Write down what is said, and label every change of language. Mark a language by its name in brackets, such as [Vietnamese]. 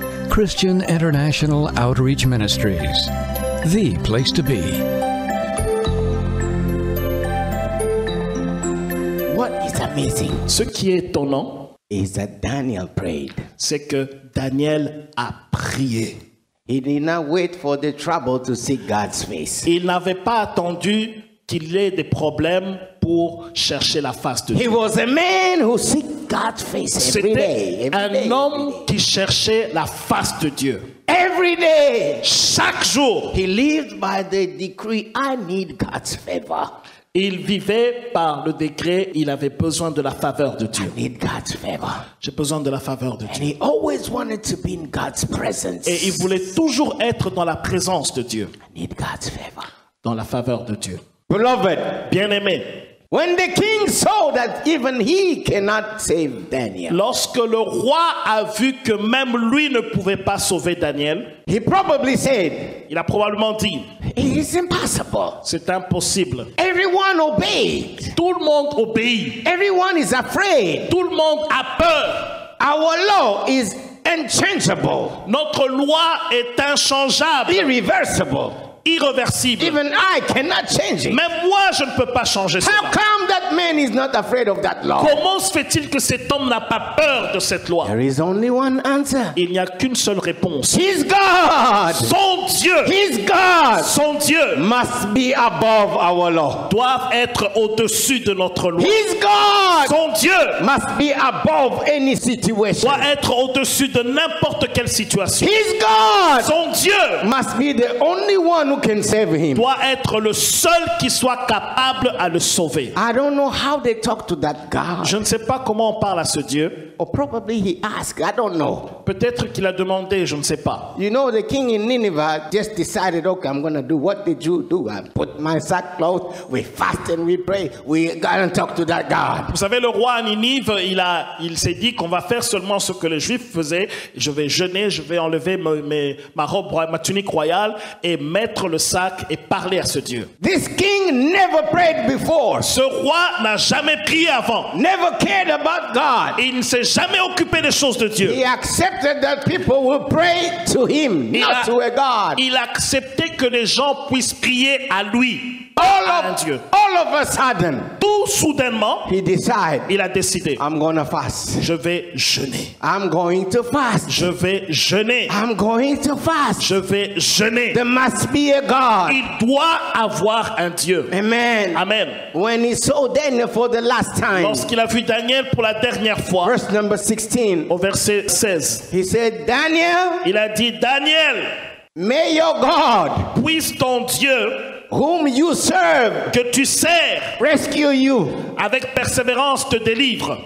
[English] Christian International Outreach Ministries, the place to be. What is amazing? [French] Ce qui est étonnant [English] is that Daniel prayed. [French] C'est que Daniel a prié. [English] He did not wait for the trouble to see God's face. [French] Il n'avait pas attendu qu'il ait des problèmes pour chercher la face de Dieu. [English] He was a man who seek God's face every day. [French] C'était un homme qui cherchait la face de Dieu. [English] Every day, [French] chaque jour, [English] he lived by the decree, I need God's favor. [French] Il vivait par le décret, il avait besoin de la faveur de Dieu. [English] I need God's favor. [French] J'ai besoin de la faveur de [English] And He always wanted to be in God's presence. [French] Et il voulait toujours être dans la présence de Dieu. [English] I need God's favor. [French] Dans la faveur de Dieu. [English] Beloved, [French] bien-aimé, [English] when the king saw that even he cannot save Daniel, [French] lorsque le roi a vu que même lui ne pouvait pas sauver Daniel, [English] he probably said, [French] il a probablement dit, [English] it is impossible. [French] C'est impossible. [English] Everyone obeyed. [French] Tout le monde obéit. [English] Everyone is afraid. [French] Tout le monde a peur. [English] Our law is unchangeable. [French] Notre loi est inchangeable. [English] Irreversible. [French] Irréversible. [English] Even I cannot change it. [French] Même moi, je ne peux pas changer cela. [English] How come that man is not afraid of that law? [French] Comment se fait-il que cet homme n'a pas peur de cette loi? [English] There is only one answer. [French] Il n'y a qu'une seule réponse. [English] His God. [French] Son Dieu. [English] His God. [French] Son Dieu. [English] Must be above our law. [French] Doit être au-dessus de notre loi. [English] His God. [French] Son Dieu. [English] Must be above any situation. [French] Doit être au-dessus de n'importe quelle situation. [English] His God. [French] Son Dieu. [English] Must be the only one who can save him. [French] Doit être le seul qui soit capable à le sauver. [English] I don't know how they talk to that God. [French] Je ne sais pas comment on parle à ce Dieu. [English] Or probably he asked, I don't know. [French] Peut-être qu'il a demandé, je ne sais pas. [English] You know, the king in Nineveh just decided, okay, I'm going to do what the Jews do. I put my sackcloth, we fast and we pray, we go and talk to that God. [French] Vous savez, le roi à Nineveh, il s'est dit qu'on va faire seulement ce que les Juifs faisaient. Je vais jeûner, je vais enlever ma robe, ma tunique royale et mettre le sac et parler à ce Dieu. [English] This king never prayed before. [French] Ce roi n'a jamais prié avant. [English] Never cared about God. [French] Il ne s'est jamais occupé des choses de Dieu. [English] He accepted that people will pray to him, not to a God. [French] Il acceptait que les gens puissent prier à lui. [English] All of a sudden, [French] tout soudainement, [English] he decided, [French] il a décidé, [English] I'm gonna fast. [French] Je vais jeûner. [English] I'm going to fast. [French] Je vais jeûner. [English] I'm going to fast. [French] Je vais jeûner. [English] There must be a God. [French] Il doit avoir un Dieu. [English] Amen. [French] Amen. [English] When he saw Daniel for the last time, [French] lorsqu'il a vu Daniel pour la dernière fois, [English] verse number 16, [French] au verset 16, [English] he said, Daniel, [French] il a dit, Daniel, [English] may your God, [French] puisse ton Dieu, [English] whom you serve, [French] que tu sers, [English] rescue you, [French] avec persévérance te délivre.